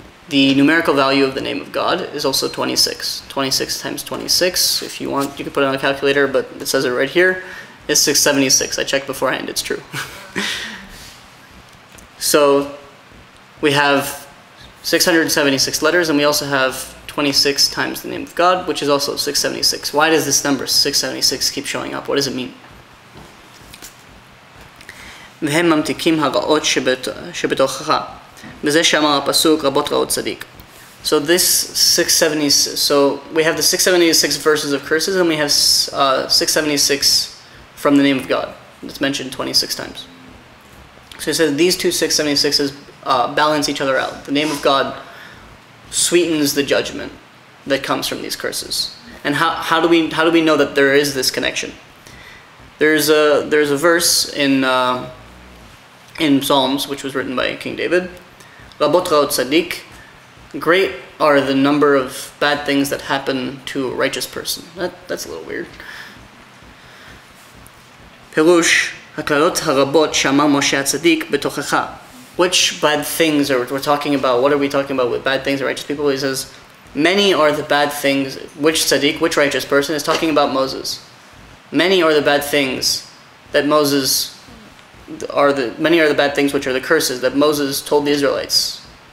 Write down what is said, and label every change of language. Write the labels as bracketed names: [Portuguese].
[English] The numerical value of the name of God is also 26. 26 times 26, if you want, you can put it on a calculator, but it says it right here, is 676. I checked beforehand, it's true. So we have 676 letters, and we also have 26 times the name of God, which is also 676. Why does this number 676 keep showing up? What does it mean? [Hebrew] והם ממתיקים הרעות שבתוכך. וזה שאמר הפסוק רבות רעות צדיק. [English] So this 676, so we have the 676 verses of curses, and we have 676 from the name of God. It's mentioned 26 times. So it says these two 676s balance each other out. The name of God sweetens the judgment that comes from these curses. And how do we know that there is this connection? There's a verse in Psalms, which was written by King David, [Hebrew] Rabot Raot Tzadik, [English] great are the number of bad things that happen to a righteous person. That's a little weird. [Hebrew] Perush, הקללות הרבות שאמר משה הצדיק בתוכך. [English] Which bad things are we talking about? What are we talking about with bad things and righteous people? He says, many are the bad things. Which tzaddik, which righteous person, is talking about Moses? Many are the bad things that Moses are the many are the bad things which are the curses that Moses told the Israelites.